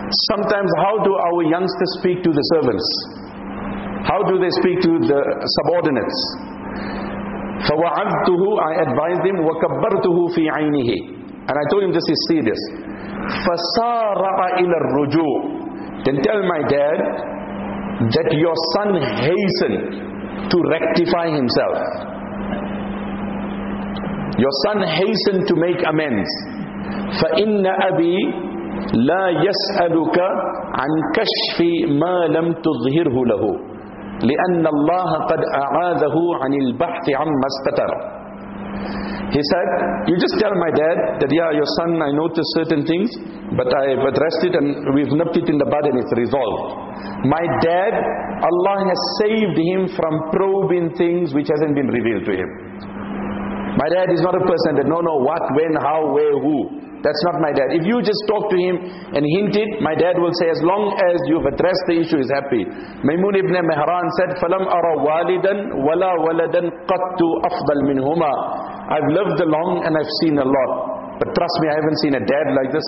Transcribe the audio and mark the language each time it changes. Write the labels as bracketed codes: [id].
[en] Sometimes how do our youngsters speak to the servants? How do they speak to the subordinates? [ar] فَوَعَبْتُهُ, [en] I advised him, [ar] وَكَبَّرْتُهُ فِي عَيْنِهِ. [en] And I told him, this is serious. [ar] فَسَارَعَ إِلَى الرُّجُوعِ. [en] Then tell my dad that your son hastened to rectify himself. Your son hastened to make amends. [ar] فَإِنَّ أَبِي لَا يَسْأَلُكَ عَنْ كَشْفِ مَا لَمْ تُظْهِرْهُ لَهُ لِأَنَّ اللَّهَ قَدْ أَعَاذَهُ عَنِ الْبَحْثِ عَمَّا اسْتَتَرَ. [en] He said, you just tell my dad that, yeah, your son, I noticed certain things, but I've addressed it and we've nipped it in the bud and it's resolved. My dad, Allah has saved him from probing things which hasn't been revealed to him. My dad is not a person that, no, what, when, how, where, who. That's not my dad. If you just talk to him and hint it, my dad will say, as long as you've addressed the issue, he's happy. Maymun ibn Mehran said, [ar] فَلَمْ أَرَ وَالِدًا وَلَا وَلَدًا قَتُّ أَفْضَلْ مِنْهُمَا. [en] I've lived long and I've seen a lot. But trust me, I haven't seen a dad like this.